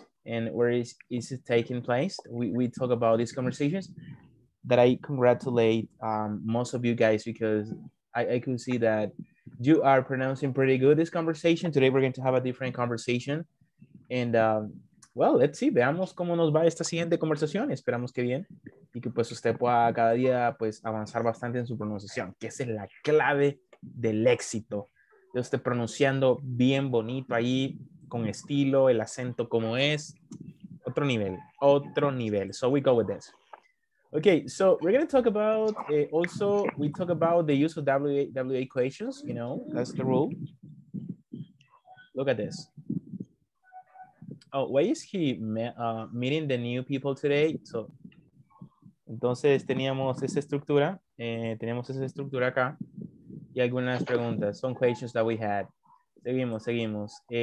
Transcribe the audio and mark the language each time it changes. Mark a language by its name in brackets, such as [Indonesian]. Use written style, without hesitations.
[English] And where is it taking place? We talk about these conversations that I congratulate most of you guys because I could see that you are pronouncing pretty good this conversation. Today, we're going to have a different conversation. And well, let's see. [Spanish] Veamos cómo nos va esta siguiente conversación. Esperamos que bien. Y que pues usted pueda cada día pues avanzar bastante en su pronunciación, que esa es la clave del éxito. Yo esté pronunciando bien bonito ahí, con estilo, el acento como es, otro nivel. [English] So we go with this. Okay, so we're going to talk about, also we talk about the use of WH equations, you know, that's the rule. Look at this. Oh, why is he meeting the new people today? [Spanish] So, entonces teníamos esa estructura acá y algunas preguntas, [English] some questions that we had. [Spanish] seguimos.